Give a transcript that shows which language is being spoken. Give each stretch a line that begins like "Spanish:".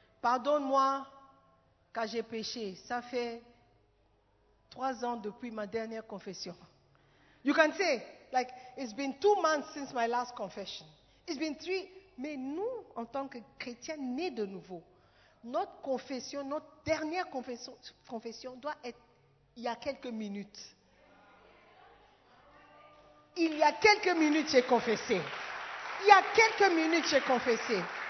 French: Pardonne-moi, car j'ai péché. Ça fait 3 ans depuis ma dernière confession.
English: You can say, like, it's been 2 months since my last confession. It's been 3.
French: Mais nous, en tant que chrétiens nés de nouveau, notre confession, notre dernière confession doit être il y a quelques minutes. Il y a quelques minutes, j'ai confessé. Il y a quelques minutes, j'ai confessé.